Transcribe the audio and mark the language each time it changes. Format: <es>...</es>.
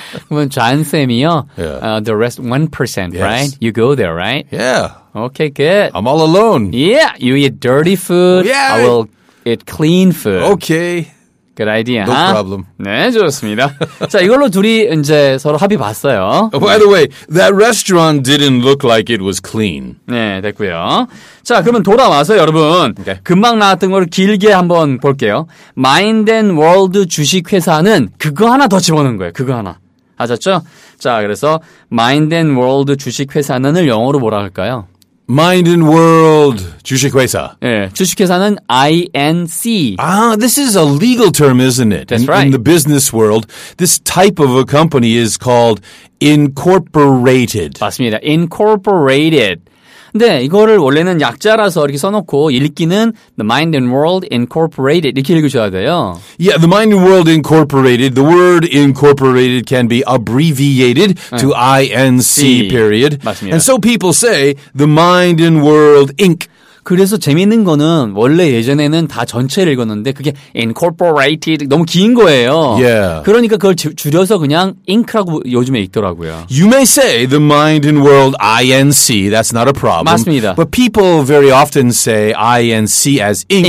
<ko>그러면 잔쌤이요.</ko> <en>Yeah. The rest 1%, yes. right? You go there, right? Yeah. Okay, good. I'm all alone. Yeah, you eat dirty food. Yeah. I will eat clean food. Okay. Good idea, no huh? No problem.</en> <ko>네, 좋습니다. 자, 이걸로 둘이 이제 서로 합의 봤어요.</ko> <en>Oh, by the way, that restaurant didn't look like it was clean.</en> <ko>네, 됐고요. 자, 그러면 돌아와서 여러분 okay. 금방 나왔던 걸 길게 한번 볼게요. Mind and World 주식회사는 그거 하나 더 집어넣은 거예요. 그거 하나. 아셨죠? 자, 그래서 Mind and World 주식회사는을 영어로 뭐라 할까요? Mind and World 주식회사. 예, 주식회사는 INC.</ko> <en>Ah, this is a legal term, isn't it? That's right. In the business world, this type of a company is called incorporated.</en> <ko>맞습니다. Incorporated. 근데 이거를 원래는 약자라서 이렇게 써놓고 읽기는 The Mind and World Incorporated 이렇게 읽으셔야 돼요.</ko> <en>Yeah, The Mind and World Incorporated. The word incorporated can be abbreviated 네. to INC period.</en> <ko>맞습니다.</ko> <en>And so people say The Mind and World Inc.</en> <ko>그래서 재밌는 거는 원래 예전에는 다 전체를 읽었는데 그게 incorporated 너무 긴 거예요. Yeah. 그러니까 그걸 줄여서 그냥 ink라고 요즘에 읽더라고요.</ko> <en>You may say the mind and world INC. That's not a problem.</en> <ko>맞습니다.</ko> <en>But people very often say INC as ink.</en>